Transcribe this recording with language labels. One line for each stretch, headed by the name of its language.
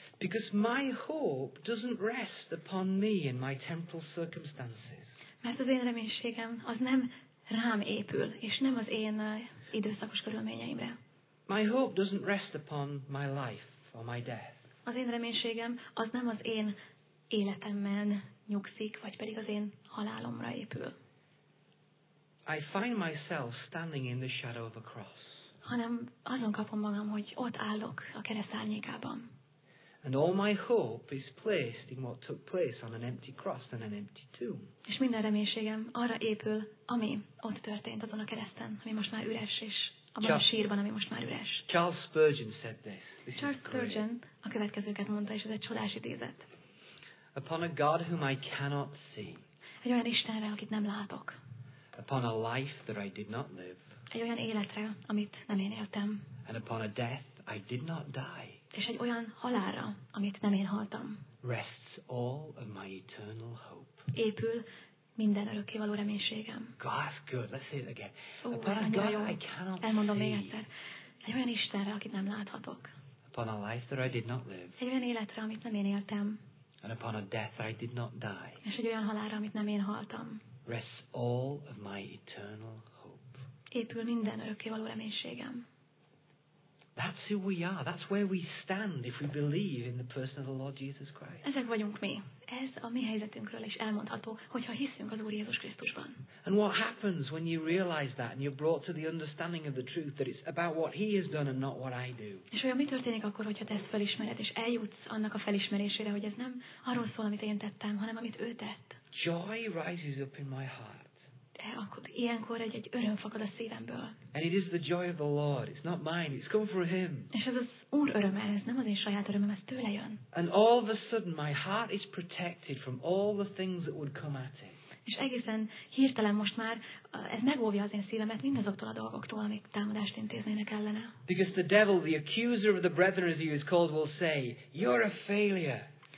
English: Because my hope doesn't rest upon me and my temporal circumstances.
Hungarian: Mert az én reménységem az nem rám épül, és nem az én időszakos körülményeimre.
English: My hope doesn't rest upon my life or my death.
Hungarian: Az én reménységem az nem az én életemben nyugszik, vagy pedig az én halálomra épül.
English: I find myself standing in the shadow of a cross.
Hungarian: Hanem azon kapom magam, hogy ott állok a kereszt árnyékában.
English: And all my hope is placed in what took place on an empty cross and an empty tomb.
Hungarian: És minden reménységem arra épül, ami ott történt azon a kereszten, ami most már üres is. Abban a sírban, ami most már üres.
English: Charles Spurgeon said this.
Hungarian: Charles Spurgeon a következőket mondta, és ez egy csodás idézet.
English: Upon a God whom I cannot see.
Hungarian: Egy olyan Istenre, akit nem látok.
English: Upon a life that I did not live.
Hungarian: Egy olyan életre, amit nem én éltem.
English: And upon a death I did not die.
Hungarian: És egy olyan halálra, amit nem én haltam.
English: Rests all of my eternal hope.
Hungarian: Épül minden örökkévaló reménységem.
English: God's good. Let's say it again. Upon a God
Hungarian: jó.
English: I cannot see.
Hungarian: Elmondom még egyszer. Egy olyan Istenre, akit nem láthatok.
English: Upon a life that I did not live.
Hungarian: Egy olyan életre, amit nem én éltem.
English: And upon a death that I did not die.
Hungarian: És egy olyan halálra, amit nem én haltam.
English: Rests all of my eternal hope.
Hungarian: Épül minden örökkévaló reménységem.
English: That's who we are. That's where we stand if we believe in the person of the Lord Jesus Christ.
Hungarian: Ezek vagyunk mi. Ez a mi helyzetünkről is elmondható, hogyha hiszünk az Úr Jézus Krisztusban.
English: And what happens when you realize that and you're brought to the understanding of the truth that it's about what he has done and not what I do?
Hungarian: És olyan mi történik akkor, hogyha te ezt felismered és eljutsz annak a felismerésére, hogy ez nem arról szól, amit én tettem, hanem amit ő tett.
English: Joy rises up in my heart.
Hungarian: Akkor ilyenkor egy öröm fakad a szívemből.
English: And it is the joy of the Lord. It's not mine. It's come from him.
Hungarian: És ez az Úr öröme, ez nem az én saját örömem, ez tőle jön.
English: And all of a sudden my heart is protected from all the things that would come at it.
Hungarian: És egészen hirtelen most már ez megóvja az én szívemet mindazoktól a dolgoktól, amik támadást intéznének ellene.
English: Because the devil, the accuser of the brethren, as he is called, will say, "You're a failure."